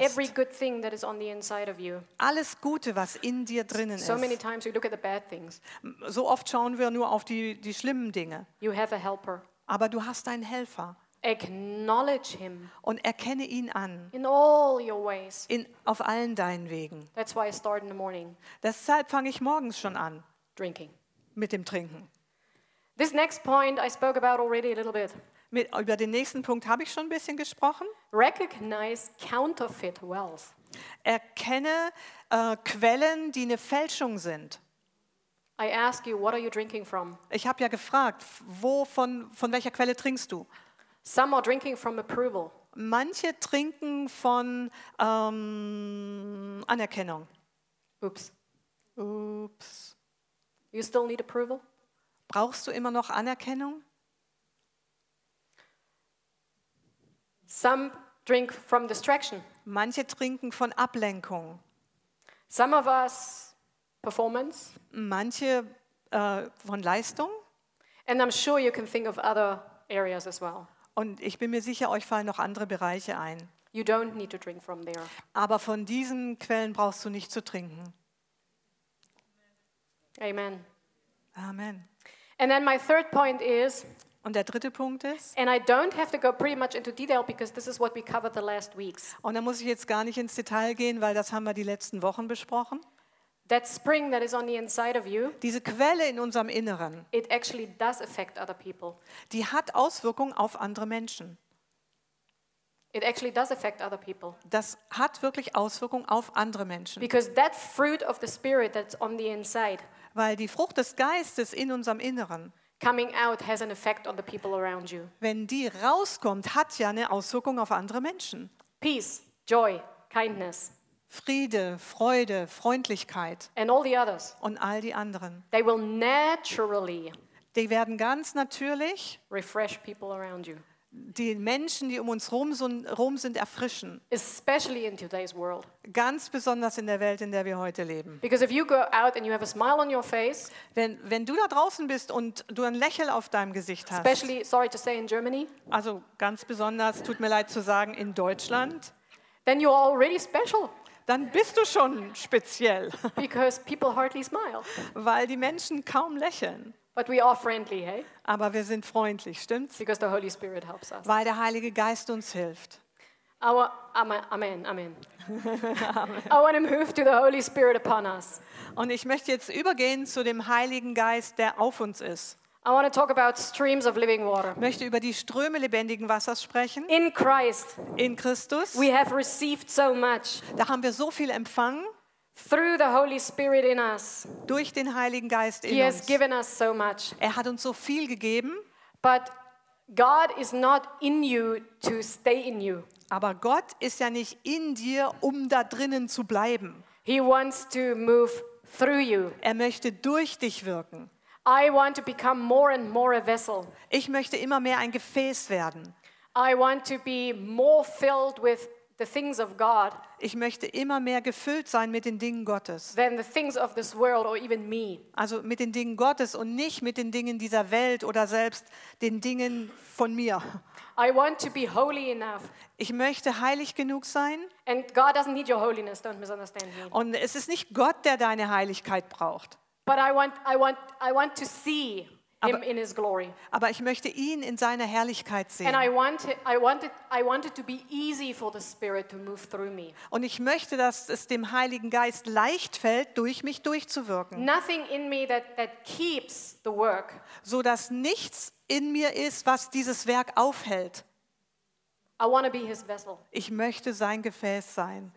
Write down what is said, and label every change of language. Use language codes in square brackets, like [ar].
[en] Every good thing that is on the inside of you. [de] Alles Gute, was in dir drinnen ist. [en] So many times we look at the bad things. [de] So oft schauen wir nur auf die schlimmen Dinge. [en] You have a helper. [de] Aber du hast einen Helfer. [en] Acknowledge him. [de] Und erkenne ihn an. [en] In all your ways. [de] Auf allen deinen Wegen. [en] That's why I start in the morning. [de] Deshalb fange ich morgens schon an. [en] Drinking. [de] Mit dem Trinken. [en] This next point I spoke about already a little bit. [de] Über den nächsten Punkt habe ich schon ein bisschen gesprochen. [en] Recognize counterfeit wealth. [de] Erkenne Quellen, die eine Fälschung sind. [en] I ask you, what are you drinking from? [de] Ich habe ja gefragt, von welcher Quelle trinkst du? [en] Some are drinking from approval. [de] Manche trinken von Anerkennung. [en] Oops. Oops. You still need approval? [de] Brauchst du immer noch Anerkennung? [en] Some drink from distraction. [de] Manche trinken von Ablenkung. [en] Some of us performance. [de] Manche von Leistung. [en] And I'm sure you can think of other areas as well. [de] Und ich bin mir sicher, euch fallen noch andere Bereiche ein. [en] You don't need to drink from there. [de] Aber von diesen Quellen brauchst du nicht zu trinken. Amen. Amen. [en] And then my third point is. [de] Und der dritte Punkt ist. [en] And I don't have to go pretty much into detail because this is what we covered the last weeks. [de] Und da muss ich jetzt gar nicht ins Detail gehen, weil das haben wir die letzten Wochen besprochen. [en] That spring that is on the inside of you. [de] Diese Quelle in unserem Inneren. [en] It actually does affect other people. [de] Die hat Auswirkungen auf andere Menschen. [en] It actually does affect other people. [de] Das hat wirklich Auswirkungen auf andere Menschen. [en] Because that fruit of the spirit that's on the inside. [de] Weil die Frucht des Geistes in unserem Inneren. [en] Coming out has an effect on the people around you. [de] Wenn die rauskommt, hat ja eine Auswirkung auf andere Menschen. [en] Peace, joy, kindness. [de] Friede, Freude, Freundlichkeit. [en] And all the others. [de] Und all die anderen. [en] They will naturally. [de] Die werden ganz natürlich. [en] Refresh people around you. [de] Die Menschen, die um uns rum sind, erfrischen. [en] Especially in today's world. [de] Ganz besonders in der Welt, in der wir heute leben. [en] Because if you go out and you have a smile on your face. [de] Wenn du da draußen bist und du ein Lächeln auf deinem Gesicht hast. [en] Especially, sorry to say, in Germany. [de] Also ganz besonders, tut mir leid zu sagen, in Deutschland. [en] Then you're already special. [de] Dann bist du schon speziell. [en] Because people hardly smile. [de] Weil die Menschen kaum lächeln. [en] But we are friendly, hey? [de] Aber wir sind freundlich, stimmt's? [en] Because the Holy Spirit helps us. [de] Weil der Heilige Geist uns hilft. [en] Our, amen, amen. I want to move to the Holy Spirit upon us. [de] Und ich möchte jetzt übergehen zu dem Heiligen Geist, der auf uns ist. [en] I want to talk about streams of living water. [de] Möchte über die Ströme lebendigen Wassers sprechen. [en] In Christ. [de] In Christus. [en] We have received so much. [de] Da haben wir so viel empfangen. [en] Through the Holy Spirit in us. [de] Durch den Heiligen Geist in [en] uns. He has [de] uns. [en] Given us so much. [de] Er hat uns so viel gegeben. [en] But God is not in you to stay in you. [de] Aber Gott ist ja nicht in dir, um da drinnen zu bleiben. [en] He wants to move through you. [de] Er möchte durch dich wirken. [en] I want to become more and more a vessel. [de] Ich möchte immer mehr ein Gefäß werden. [en] I want to be more filled with the things of God. [de] Ich möchte immer mehr gefüllt sein mit den Dingen Gottes. [en] Than the things of this world or even me. [de] Also mit den Dingen Gottes und nicht mit den Dingen dieser Welt oder selbst den Dingen von mir. [en] I want to be holy enough. [de] Ich möchte heilig genug sein. [en] And God doesn't need your holiness, don't misunderstand me. [de] Und es ist nicht Gott, der deine Heiligkeit braucht. [en] But I want to see him in his glory. [de] Aber ich möchte ihn in seiner Herrlichkeit sehen. [en] And I want it to be easy for the Spirit to move through me. [de] Und ich möchte, dass es dem Heiligen Geist leicht fällt, durch mich durchzuwirken. [en] Nothing in me that keeps the work. [de] So dass nichts in mir ist, was dieses Werk aufhält. [en] I want to be his vessel. [de] Ich möchte sein Gefäß sein.